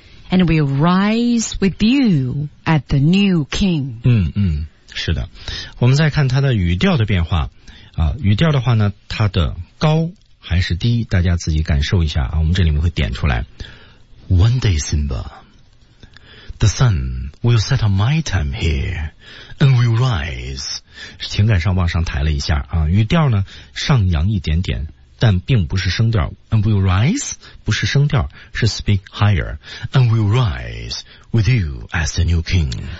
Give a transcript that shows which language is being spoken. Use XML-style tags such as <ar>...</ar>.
<en>And will rise with you at the new king.</en> <zh>嗯嗯，是的。我们再看它的语调的变化。啊、语调的话呢，它的高还是低，大家自己感受一下啊。我们这里面会点出来。</zh> <en>One day, Simba. The sun will set on my time here, and will rise.</en> <zh>情感上往上抬了一下啊，语调呢上扬一点点，但并不是升调。</zh> <en>And will rise</en> <zh>不是升调，是</zh> <en>speak higher. And will rise with you as the new king.</en>